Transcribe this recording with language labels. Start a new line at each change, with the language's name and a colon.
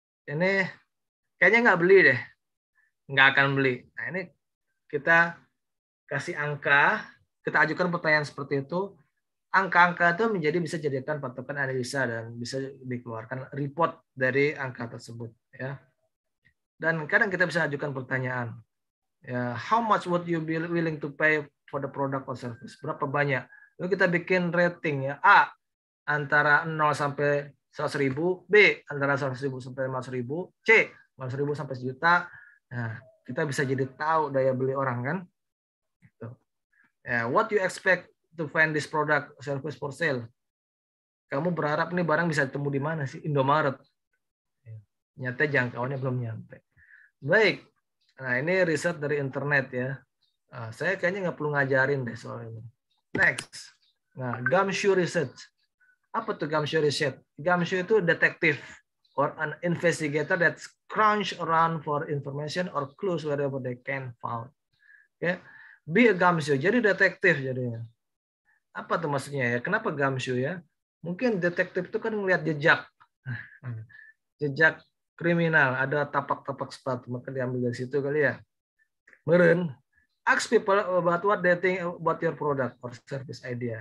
Indonesian: Ini kayaknya nggak beli deh. Nggak akan beli. Nah, ini kita kasih angka, kita ajukan pertanyaan seperti itu. Angka-angka itu menjadi bisa jadikan patokan analisa dan bisa dikeluarkan report dari angka tersebut. Ya. Dan kadang kita bisa ajukan pertanyaan.
English: Ya, how much would you be willing to pay for the product or service?
Indonesian: Berapa banyak? Lalu kita bikin rating ya. A antara 0 sampai 100 ribu, B antara 100 ribu sampai 500 ribu, C 500 ribu sampai 1 juta. Nah, kita bisa jadi tahu daya beli orang kan? Gitu.
English: Ya, what you expect to find this product or service for sale?
Indonesian: Kamu berharap nih barang bisa ditemu di mana sih? Indomaret. Ya, nyata jangkauannya belum nyampe. Baik. Nah, ini riset dari internet ya. Saya kayaknya nggak perlu ngajarin deh soal ini. Next. Nah, gumshoe research. Apa tuh gumshoe research?
English: Gumshoe itu detective or an investigator that crunch around for information or clues wherever they can found. Okay. Be a gumshoe.
Indonesian: Jadi detektif jadinya. Apa tuh maksudnya ya? Kenapa gumshoe ya? Mungkin detektif itu kan ngelihat jejak. Jejak kriminal, ada tapak-tapak sepatu, maka diambil dari situ kali ya.
English: Meren, ask people about what they think about your product or service idea.